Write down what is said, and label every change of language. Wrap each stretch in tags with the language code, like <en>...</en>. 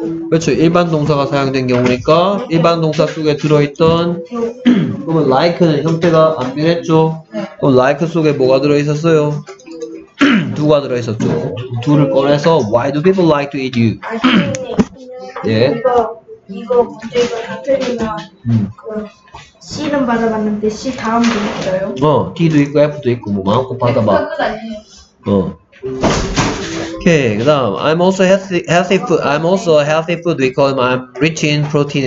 <ko>그렇죠. 일반 동사가 사용된 경우니까 일반 동사 속에 들어있던 그러면 like는 형태가 안 변했죠. 그럼 like 속에 뭐가 들어있었어요? 두가 들어있었죠. 두를 꺼내서</ko> <en>why do people like to eat you?</en> <ko>예. 이거 문제가 같은 이나 C는 받아봤는데 C 다음도 있어요? 어, D도 있고 F도 있고 뭐 마음껏 받아봐. 오케이, 그다음</ko> <en>I'm also healthy food. I'm also healthy food because I'm rich in protein.</en>